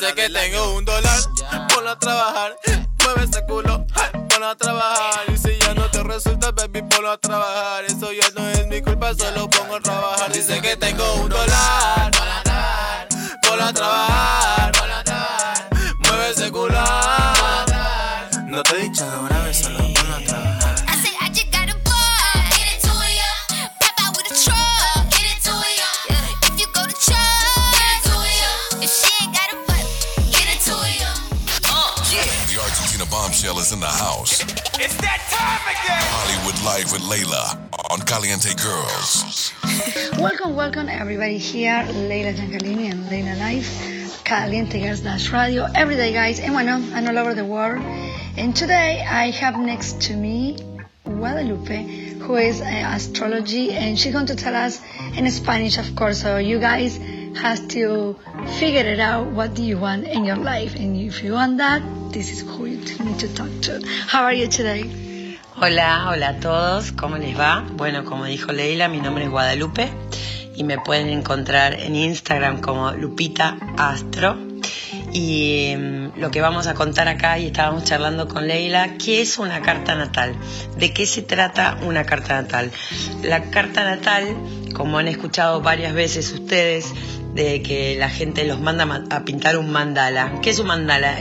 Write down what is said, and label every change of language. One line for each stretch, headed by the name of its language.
Spanish: Dice que tengo un dólar, ponlo a trabajar. Mueve ese culo, ponlo a trabajar. Y si ya no te resulta, baby, ponlo a trabajar. Eso ya no es mi culpa, solo pongo a trabajar. Dice que tengo un dólar, ponlo a trabajar, mueve ese culo. No te he dicho de una vez, solo ponlo a trabajar.
English: I say I just got a bar, get it to ya. Pop out with a truck, get it to ya. If you go to church, get it to ya. If she ain't got a butt, get it to ya. The Argentina Bombshell is in the house. It's that time again. Hollywood Live with Layla on Caliente Girls. Welcome everybody here, Leila Giancalini and Leila Life, Caliente Girls Dash Radio, every day guys, and bueno, and all over the world. And today I have next to me Guadalupe, who is astrology, and she's going to tell us in Spanish, of course, so you guys have to figure it out, what do you want in your life, and if you want that, this is who you need to talk to. How are you today?
Spanish: Hola, hola a todos, ¿cómo les va? Bueno, como dijo Leila, mi nombre es Guadalupe y me pueden encontrar en Instagram como Lupita Astro. Y lo que vamos a contar acá, y estábamos charlando con Leila, ¿qué es una carta natal? ¿De qué se trata una carta natal? La carta natal, como han escuchado varias veces ustedes, de que la gente los manda a pintar un mandala. ¿Qué es un mandala?